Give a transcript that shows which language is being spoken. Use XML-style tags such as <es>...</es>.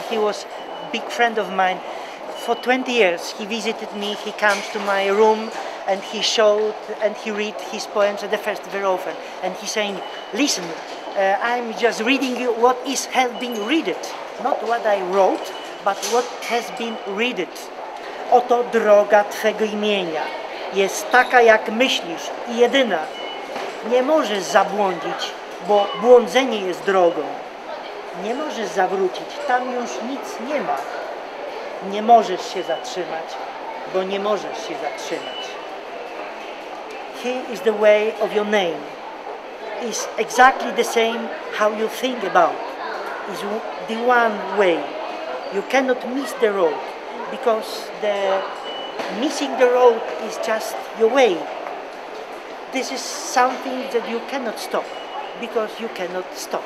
<en>He was a big friend of mine. For 20 years he visited me, he comes to my room and he showed and he read his poems at the first very often. And he's saying, listen, I'm just reading you what is have been readed. Not what I wrote, but what has been readed.</en> <pl>Oto droga Twego imienia. Jest taka, jak myślisz, i jedyna. Nie możesz zabłądzić, bo błądzenie jest drogą. Nie możesz zawrócić, tam już nic nie ma. Nie możesz się zatrzymać, bo nie możesz się zatrzymać.</pl> <en>He is the way of your name. It's exactly the same how you think about. It's the one way. You cannot miss the road. Because the missing the road is just your way. This is something that you cannot stop, because you cannot stop.</en>